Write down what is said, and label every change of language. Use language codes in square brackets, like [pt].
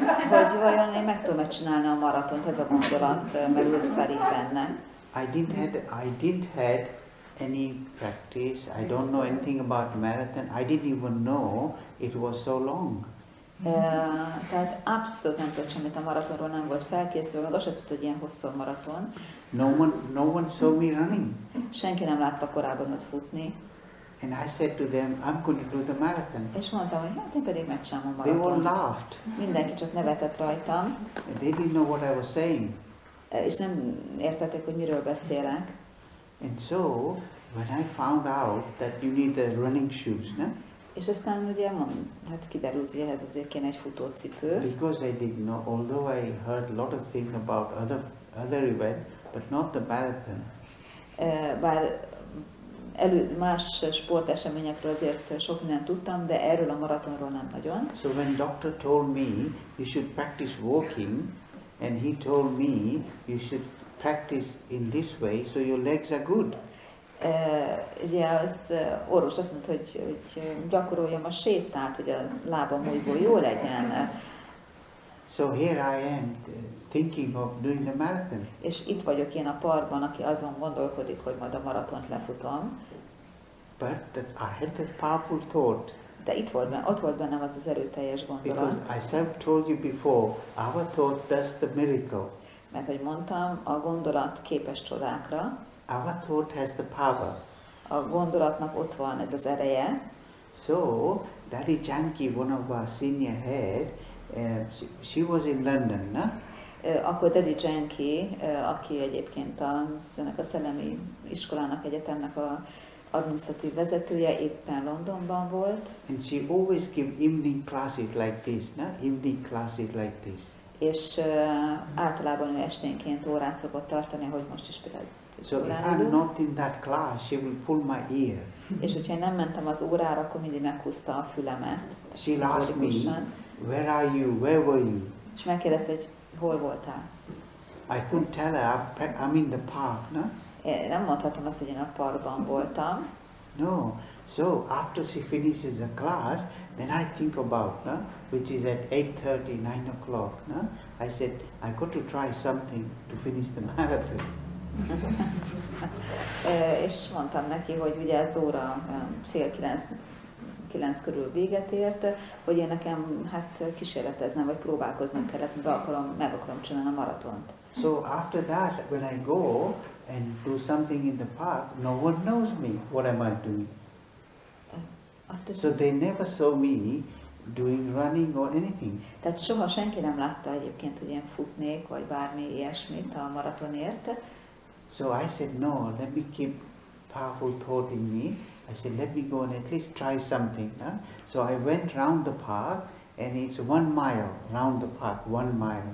[hu] Vagy vajon én meg tudom-e csinálni a maratont? Ez a gondolat merült fel benne. [en] I didn't have any practice, I don't know anything about marathon, I didn't even know it was so long. [hu] Tehát abszolút nem tudott semmit a maratonról, nem volt felkészülve, meg azt sem tudott, hogy ilyen hosszú a maraton. [en] No one saw me running. [hu] Senki nem látta korábban ott futni. [en] And I said to them, I'm going to do the marathon. [hu] És mondtam, hogy hát én pedig megcsinálom a maraton. [en] They all laughed. [hu] Mindenki csak nevetett rajtam. [en] And they didn't know what I was saying. [hu] És nem értették, hogy miről beszélek. [en] And so When I found out that you need the running shoes, no? [hu] És aztán ugye hát kiderült, hogy ehhez azért kéne egy futócipő. [en] Because I did not, although I heard a lot of things about other event, but not the marathon. [hu] Bár más sporteseményekről azért sok mindent tudtam, de erről a maratonról nem nagyon. [en] So when doctor told me you should practice walking, and he told me you should practice in this way, so your legs are good. [hu] Ugye az orvos azt mondta, hogy gyakoroljam a sétát, hogy az lábam újból jó legyen. [en] So here I am thinking of doing the marathon. [hu] És itt vagyok én a parkban, aki azon gondolkodik, hogy majd a maratont lefutom. [en] But I had that powerful thought. [hu] De itt volt benne, ott volt bennem az erőteljes gondolat. [en] Because I have told you before, our thought does the miracle. [hu] Mert hogy mondtam, a gondolat képes csodákra. [en] Our thought has the power. [hu] A gondolatnak ott van ez az ereje. [en] So, Daddy Janki, one of our senior head, she was in London, na? [hu] Akkor Daddy Janki, aki egyébként a szellemi iskolának, egyetemnek a adminisztratív vezetője, éppen Londonban volt. [en] And she always give evening classes like this, na? Evening classes like this. [hu] És általában ő esténként órát szokott tartani, hogy most is például. [en] So if I'm not in that class, she will pull my ear. [hu] És hogyha nem mentem az órára, akkor mindig meghúzta a fülemet. [en] She asked me, where are you? Where were you? [hu] És megkérdezte, hogy hol voltál? [en] I couldn't tell her. I'm in the park, no? [hu] Nem mondhatom azt, hogy én a parkban voltam. [en] No. So after she finishes the class, then I think about, no? Which is at 8:30, 9 o'clock, no? I said, I got to try something to finish the marathon. [hu] És mondtam neki, hogy ugye az óra 8:30 körül véget ért, hogy én nekem hát kísérleteznem, vagy próbálkoznom kellett, meg akarom csinálni a maratont. [en] So after that, when I go and do something in the park, no one knows me, what am I doing. So they never saw me doing running or anything. [hu] Tehát soha senki nem látta egyébként, hogy én futnék, vagy bármi ilyesmit a maratonért. [en] So I said, no, let me keep powerful thought in me. I said, let me go and at least try something. Huh? So I went round the park, and it's 1 mile round the park, 1 mile.